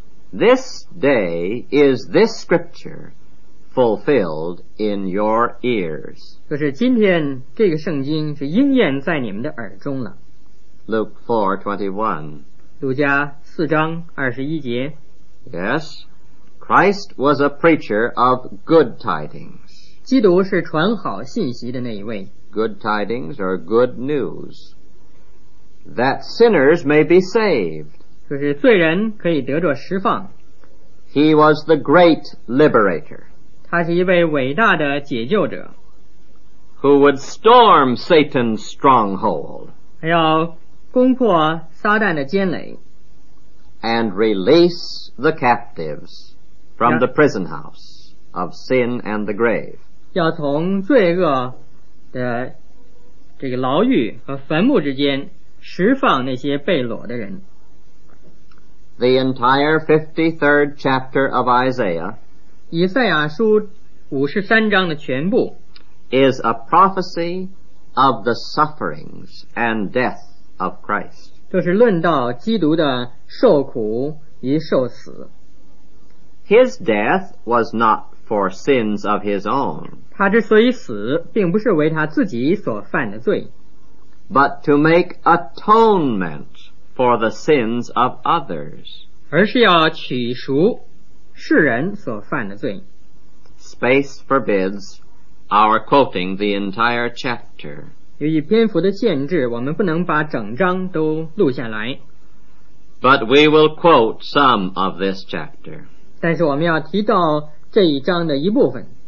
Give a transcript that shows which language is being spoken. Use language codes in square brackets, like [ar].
[en] This day is this scripture fulfilled in your ears. [zh] 就是今天这个圣经是应验在你们的耳中了。 [en] Luke 4:21. [zh] 路加四章二十一节。 [en] Yes, Christ was a preacher of good tidings. [zh] 基督是传好信息的那一位。 [en] Good tidings or good news. That sinners may be saved. [zh] 就是罪人可以得着释放。 [en] He was the great liberator. [zh] 他是一位伟大的解救者。 [en] Who would storm Satan's stronghold. [zh] 还要攻破撒旦的监垒。 [en] And release the captives from the prison house of sin and the grave. [zh] 要从罪恶的这个牢狱和坟墓之间释放那些被掳的人。 [en] The entire 53rd chapter of Isaiah [zh] 以赛亚书五十三章的全部 [en] is a prophecy of the sufferings and death of Christ. [zh] 就是论到基督的受苦与受死。 [en] His death was not for sins of his own. [zh] 他之所以死并不是为他自己所犯的罪 [en] but to make atonement for the sins of others [zh] 而是要取赎世人所犯的罪 [en] space forbids our quoting the entire chapter [zh] 由于篇幅的限制我们不能把整章都录下来 [en] but we will quote some of this chapter [zh] 但是我们要提到这一章的一部分